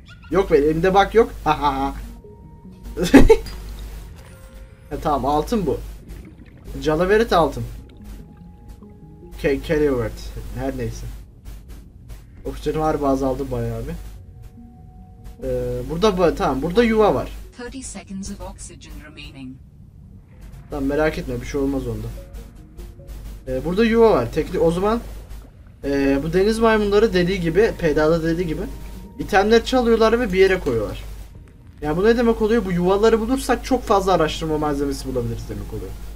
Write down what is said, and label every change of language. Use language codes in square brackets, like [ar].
[tr] Yok be, elimde bak yok. Ha, tamam, altın bu. Cala verin altın. Kelly Word. Her neyse. Oksijenim harbi azaldı bayağı bir. Burada tamam, burada yuva var. [en] 30 seconds of oxygen remaining. [tr] Tamam, merak etme, bir şey olmaz onda. Burada yuva var. O zaman bu deniz maymunları dediği gibi, PDA'da dediği gibi itemler çalıyorlar ve bir yere koyuyorlar. Yani bu ne demek oluyor? Bu yuvaları bulursak çok fazla araştırma malzemesi bulabiliriz demek oluyor.